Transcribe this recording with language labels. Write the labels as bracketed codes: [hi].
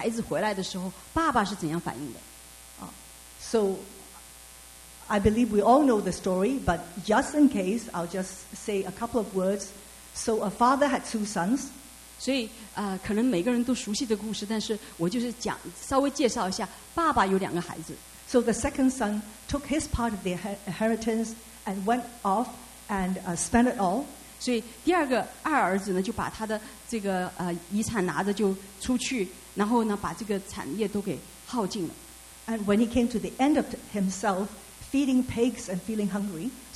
[zh] 那我们就是专注在四个小节的里面，就是当孩子回来的时候，爸爸是怎样反应的。 [en] So, I believe we all know the story, but just in case, I'll just say a couple of words. So, a father had two sons. [zh] 所以，可能每个人都熟悉的故事，但是我就是讲稍微介绍一下，爸爸有两个孩子。 [en] So the second son took his part of the inheritance and went off and spent it all. [zh] 所以第二个二儿子呢，就把他的这个遗产拿着就出去，然后呢，把这个产业都给耗尽了。 [en] And when he came to the end of himself, feeding pigs and feeling hungry.